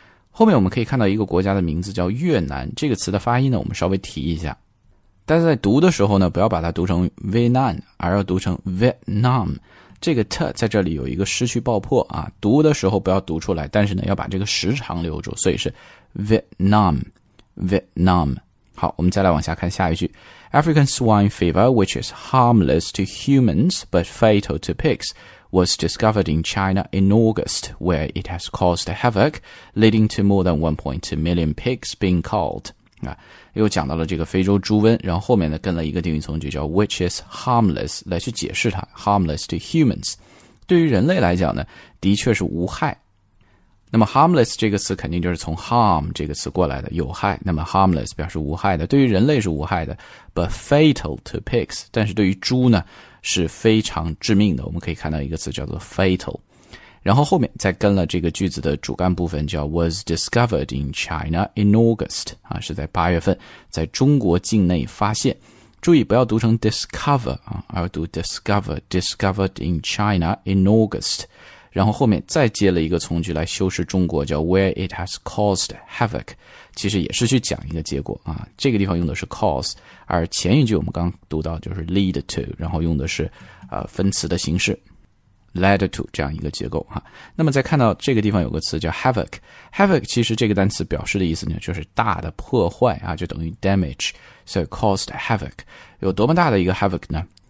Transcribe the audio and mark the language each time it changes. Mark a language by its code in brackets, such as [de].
[zh] 后面我们可以看到一个国家的名字叫越南，这个词的发音呢我们稍微提一下。但是在读的时候呢不要把它读成 Vietnam, 而要读成 Vietnam, 这个 t 在这里有一个失去爆破啊，读的时候不要读出来，但是呢要把这个时长留住，所以是 Vietnam, Vietnam。好，我们再来往下看下一句， [en] African swine fever, which is harmless to humans but fatal to pigs, was discovered in China in August, where it has caused havoc leading to more than 1.2 million pigs being culled。 [zh] 又讲到了这个非洲猪瘟，然后后面呢跟了一个定语从句叫 which is harmless 来去解释它 harmless to humans, 对于人类来讲呢的确是无害。那么 harmless 这个词肯定就是从 harm 这个词过来的，有害，那么 harmless 表示无害的，对于人类是无害的， [en] but fatal to pigs, [zh] 但是对于猪呢是非常致命的，我们可以看到一个词叫做 fatal,然后后面再跟了这个句子的主干部分叫 [en] was discovered in China in August, [zh] 啊，是在8月份在中国境内发现。注意不要读成 discover, 啊，而读 discover, [en] discovered in China in August。 [zh] 然后后面再接了一个从句来修饰中国叫 [en] where it has caused havoc, [zh] 其实也是去讲一个结果啊，这个地方用的是 cause, 而前一句我们刚读到就是 lead to, 然后用的是分词的形式。 led to 这样一个结构哈，那么再看到这个地方有个词叫 havoc，havoc 其实这个单词表示的意思呢就是大的破坏啊，就等于 damage, [en] so caused havoc, [zh] 有多么大的一个 havoc 呢？